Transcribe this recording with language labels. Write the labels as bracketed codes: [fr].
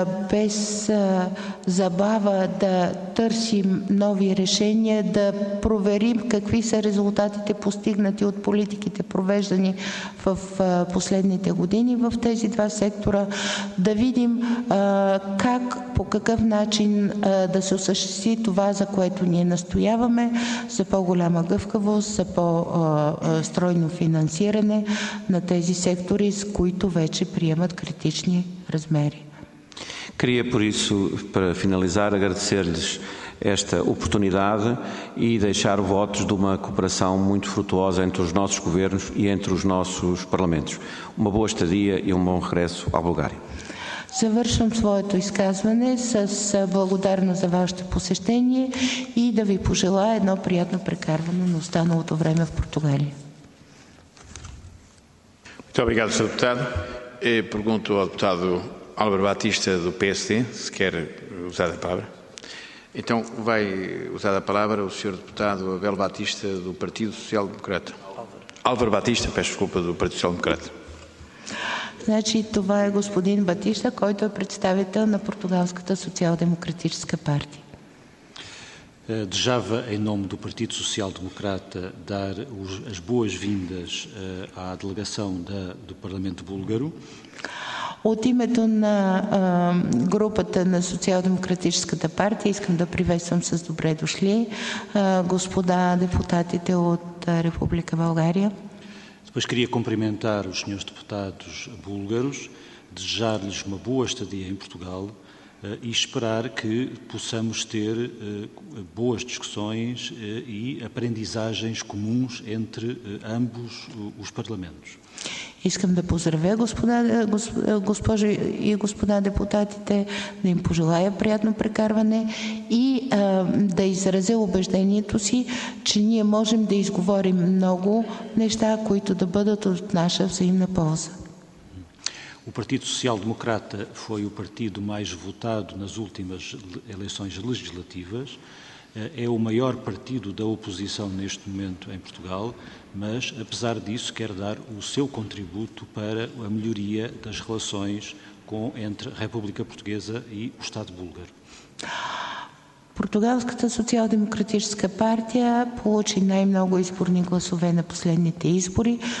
[bg] без забава да търсим нови решения, да проверим какви са резултатите постигнати от политиките, провеждани в последните години в тези два сектора, да видим как, по какъв начин да се осъществи това, за което ние настояваме, за по-голяма гъвкавост, за по-стройно финансиране на тези сектори, с които вече приемат критични размери. [pt] Queria, por isso, para finalizar, agradecer-lhes esta oportunidade e deixar votos de uma cooperação muito frutuosa entre os nossos governos e entre os nossos parlamentos. Uma boa estadia e um bom regresso à Bulgária. [bg] Завършвам своето изказване с благодарност за вашето посещение и да ви пожелая едно приятно прекарване на останалото време в Португалия. [pt] Muito obrigado, Sr. Deputado. E pergunto ao deputado Álvaro Batista, do PSD, se quer usar a palavra. Então, vai usar a palavra o Sr. Deputado Abel Batista, do Partido Social Democrata. Álvaro Batista, peço desculpa, do Partido Social Democrata. [bg] Значи, това е господин Батиста, който е представител на Португалската социал-демократическа партия. [pt] Desejava, em nome do Partido Social Democrata, dar as boas-vindas à delegação do Parlamento Búlgaro. [bg] От името на групата на Социал-демократическата партия искам да приветствам с добре дошли господа депутатите от Република България. [pt] Depois queria cumprimentar os senhores deputados búlgaros, desejar-lhes uma boa estadia em Portugal e esperar que possamos ter boas discussões e aprendizagens comuns entre ambos os parlamentos. [bg] Искам да поздравя госпожи и господа депутатите, да им пожелая приятно прекарване и да изразя убеждението си, че ние можем да изговорим много неща, които да бъдат от наша взаимна полза. [pt] O Partido Social Democrata foi o partido mais votado nas últimas eleições legislativas. É o maior partido da oposição neste momento em Portugal, mas, apesar disso, quer dar o seu contributo para a melhoria das relações entre a República Portuguesa e o Estado búlgaro. [bg] Португалската социал-демократическа партия получи най-много изборни гласове на последните избори.